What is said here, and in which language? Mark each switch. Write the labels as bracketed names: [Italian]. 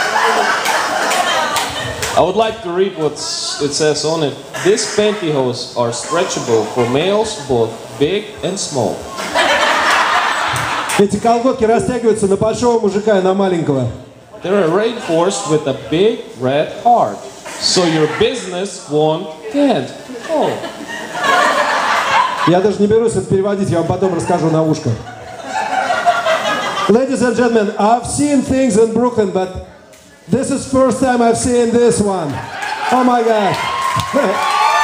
[English] I would like to read what it says on it. These pantyhose are stretchable for males, both big and small. [Russian] Эти колготки растягиваются на большого мужика и на маленького. [English] They are reinforced with a big red heart, so your business won't end. [Russian] Я даже не берусь это переводить, я вам потом расскажу на ушко. [English] Ladies and gentlemen, I've seen things in Brooklyn, but this is first time I've seen this one. Oh my God.